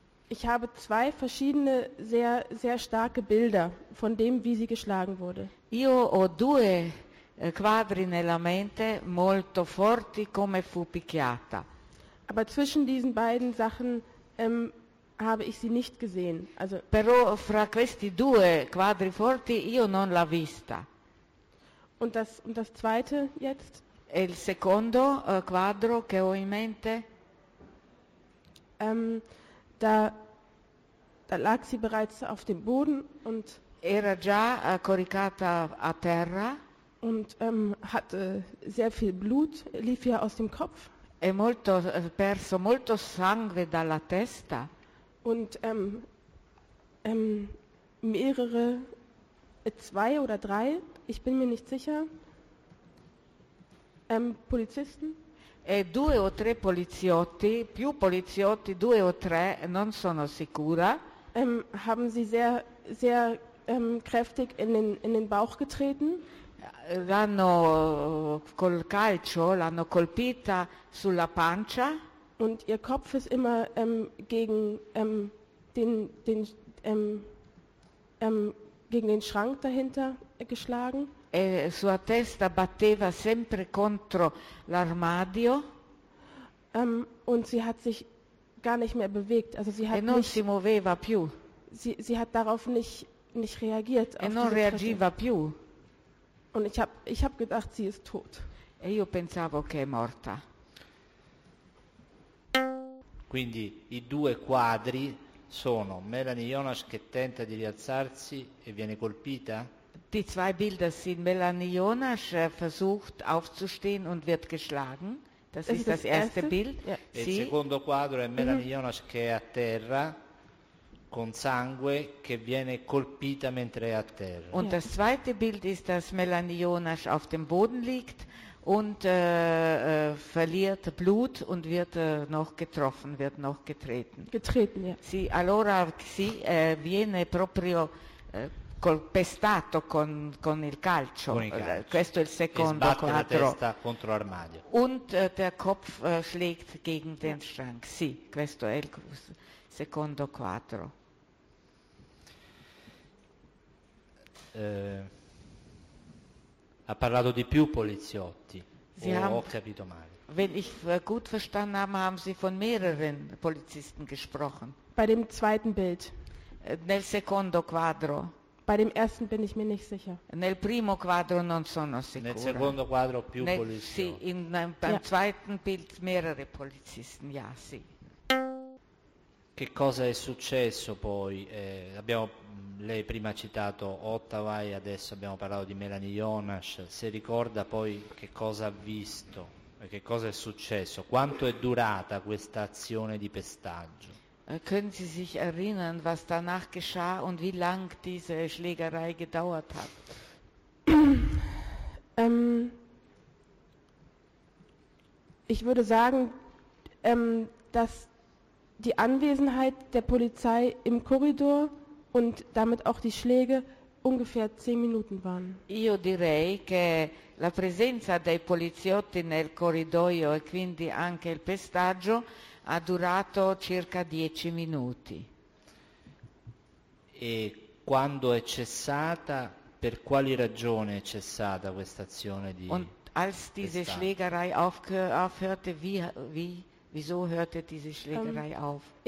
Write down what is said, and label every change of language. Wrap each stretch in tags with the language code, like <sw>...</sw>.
<de>Ich habe zwei verschiedene sehr, sehr starke Bilder von dem, wie sie geschlagen wurde.</de> <it>Io ho due quadri nella mente molto forti come fu picchiata.</it> <de>Aber zwischen diesen beiden Sachen habe ich sie nicht gesehen. Also,</de> <it>però fra questi due quadri forti io non l'ho vista.</it> <de>Und das zweite jetzt?</de> <it>E il secondo quadro che ho in mente?</it> <de>Da lag sie bereits auf dem Boden und</de> <it>era già coricata a terra</it> <de>und hatte sehr viel Blut, lief ihr aus dem Kopf.</de> <it>E molto perso molto sangue dalla testa.</it> <de>Und mehrere, zwei oder drei, ich bin mir nicht sicher, Polizisten?</de> <it>E due o tre poliziotti, più poliziotti, due o tre, non sono sicura.</it> <de>Haben sie sehr, sehr kräftig in den Bauch getreten?</de> <it>L'hanno col calcio, l'hanno colpita sulla pancia.</it> <de>Und ihr Kopf ist immer gegen den Schrank dahinter geschlagen.</de> <it>E sua testa batteva sempre contro l'armadio.</it> <de>Und sie hat sich gar nicht mehr bewegt. Also sie hat</de> <it>e non</it> <de>nicht,</de> <it>si muoveva più.</it> <de>Sie hat darauf nicht reagiert.</de> <it>E non reagiva Tritte. Più.</it> <de>Und ich hab gedacht, sie ist tot.</de> <it>E io pensavo che è morta. Quindi i due quadri sono Melanie Jonas che tenta di rialzarsi e viene colpita.</it> <de>Die zwei Bilder sind Melanie Jonas versucht aufzustehen und wird geschlagen. Das ist das erste Bild.</de> <en>Yeah.</en> <it>Sì. Il secondo quadro è Melanie Jonas che è a terra con sangue che viene colpita mentre è a terra.</it> <de>Und das zweite Bild ist, dass Melanie Jonas auf dem Boden liegt und verliert Blut und wird noch getroffen, wird noch getreten. Getreten, ja.</de> <it>Sì, allora sì, viene proprio colpestato con il calcio. Con il calcio. Questo è il secondo quadro. La testa contro l'armadio.</it> <de>Und der Kopf schlägt gegen den Schrank.</de> <it>Sì, questo è il secondo quadro. Ha parlato di più poliziotti. Ho capito male.</it> <de>Wenn ich gut verstanden habe, haben sie von mehreren Polizisten gesprochen. Bei dem zweiten Bild.</de> <it>Nel secondo quadro.</it> <de>Bei dem ersten bin ich mir nicht sicher.</de> <it>Nel primo quadro non sono sicura. Nel secondo quadro più poliziotti.</it> <de>Sì, beim zweiten Bild mehrere Polizisten, ja, sì.</de> <it>Che cosa è successo poi? Lei prima ha citato Ottawa e adesso abbiamo parlato di Melanie Jonas. Se ricorda poi che cosa ha visto e che cosa è successo? Quanto è durata questa azione di pestaggio?</it> <de>Können Sie sich erinnern, was danach geschah und wie lang diese Schlägerei gedauert hat? Ich würde sagen, dass die Anwesenheit der Polizei im Korridor und damit auch die Schläge ungefähr 10 Minuten waren.</de> <it>Io direi che la presenza dei poliziotti nel corridoio e quindi anche il pestaggio ha durato circa 10 minuti. E quando è cessata, per quali ragioni è cessata questa azione di</it> <de>Und als diese Schlägerei aufhörte, wieso hörte diese Schlägerei auf?</de>